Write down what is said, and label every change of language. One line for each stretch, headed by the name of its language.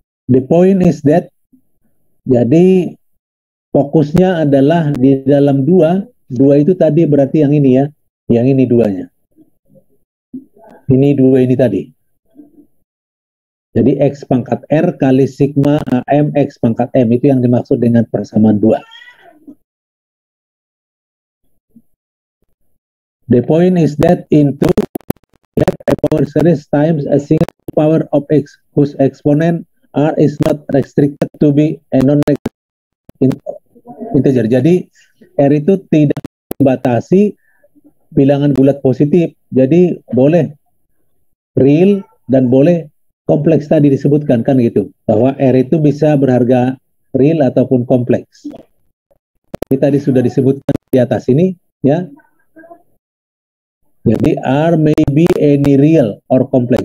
English: The point is that,
Indonesian: jadi fokusnya adalah di dalam dua, dua itu tadi berarti yang ini ya, yang ini duanya. Ini dua ini tadi. Jadi X pangkat R kali sigma AM X pangkat M itu yang dimaksud dengan persamaan dua.
English: The point is that in two, we have a power series times a single power of x whose exponent r is not restricted to be a non-negative integer.
Indonesian: Jadi r itu tidak dibatasi bilangan bulat positif. Jadi boleh real dan boleh kompleks tadi disebutkan kan gitu. Bahwa r itu bisa berharga real ataupun kompleks. Ini tadi sudah disebutkan di atas ini ya. Jadi
English: R may be any real or complex.